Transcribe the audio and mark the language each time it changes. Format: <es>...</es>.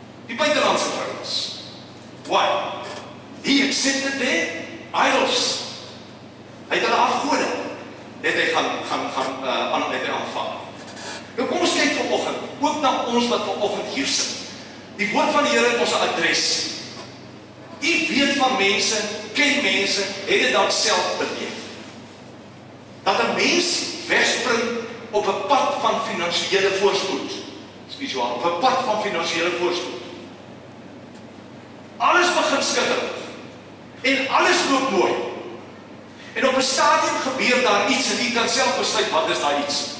<af>Die buitenlandse vrouens.</af> <en>Why? He accepted their idols.</en> <af>Hy het hulle afgode. Het hy aanvang. Nou kom ons kyk vanoggend, ook na ons wat vanoggend hier sit. Die woord van die Here het ons 'n adres. U weet van mense, ken mense, het dit dalk self beleef. Dat 'n mens wegspring op 'n pad van finansiële voorspoed. Spesiaal, op 'n pad van finansiële voorspoed. Alles begin skitter. En alles loop mooi. En op 'n stadium gebeur daar iets en jy kan self besluit wat is daai iets.</af>